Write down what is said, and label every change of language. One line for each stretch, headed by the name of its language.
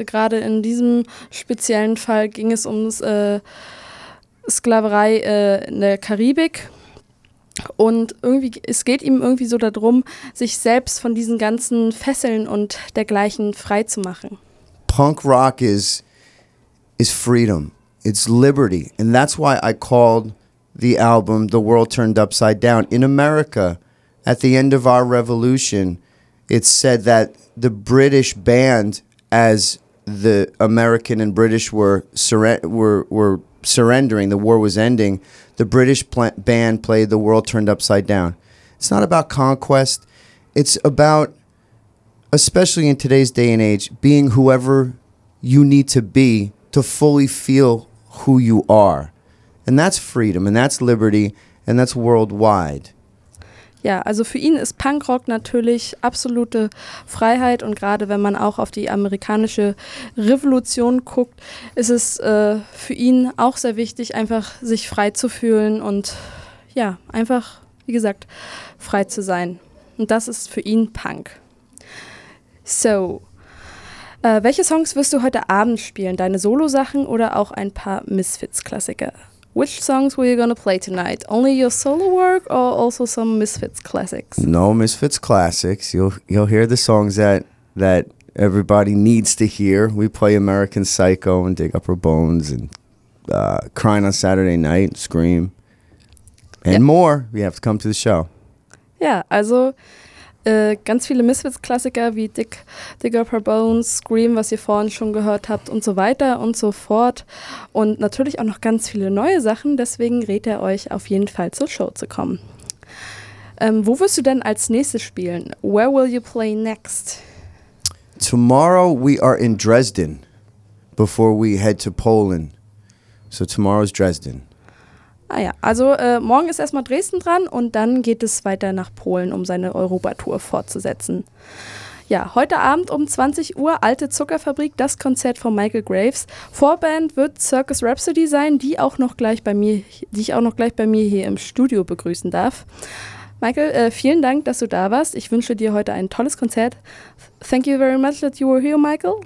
German: Gerade in diesem speziellen Fall ging es um Sklaverei in der Karibik. Und irgendwie, es geht ihm irgendwie so darum, sich selbst von diesen ganzen Fesseln und dergleichen frei zu machen.
English: Punk Rock is freedom. It's liberty. And that's why I called the album The World Turned Upside Down. In America, at the end of our revolution, it said that the British band, as the American and British were surrendering, the war was ending, the British band played The World Turned Upside Down. It's not about conquest. It's about, especially in today's day and age, being whoever you need to be to fully feel who you are. And that's freedom, and that's liberty, and that's worldwide.
German: Ja, also für ihn ist Punkrock natürlich absolute Freiheit, und gerade wenn man auch auf die amerikanische Revolution guckt, ist es für ihn auch sehr wichtig, einfach sich frei zu fühlen und ja, einfach, wie gesagt, frei zu sein. Und das ist für ihn Punk. So, welche Songs wirst du heute Abend spielen? Deine Solo-Sachen oder auch ein paar Misfits-Klassiker?
English: Which songs were you gonna play tonight? Only your solo work or also some Misfits classics? No Misfits classics. You'll hear the songs that everybody needs to hear. We play American Psycho and Dig Up Her Bones and Crying on Saturday Night, Scream and more. You have to come to the show.
German: Yeah, also ganz viele Misfits Klassiker wie Dig Up Her Bones, Scream, was ihr vorhin schon gehört habt, und so weiter und so fort, und natürlich auch noch ganz viele neue Sachen. Deswegen rät er euch auf jeden Fall zur Show zu kommen. Wo wirst du denn als nächstes spielen?
English: Where will you play next? Tomorrow we are in Dresden before we head to Poland. So tomorrow is Dresden.
German: Ah ja, also morgen ist erstmal Dresden dran und dann geht es weiter nach Polen, um seine Europatour fortzusetzen. Ja, heute Abend um 20 Uhr, Alte Zuckerfabrik, das Konzert von Michael Graves. Vorband wird Circus Rhapsody sein, die ich auch noch gleich bei mir hier im Studio begrüßen darf. Michael, vielen Dank, dass du da warst. Ich wünsche dir heute ein tolles Konzert.
English: Thank you very much that you were here, Michael.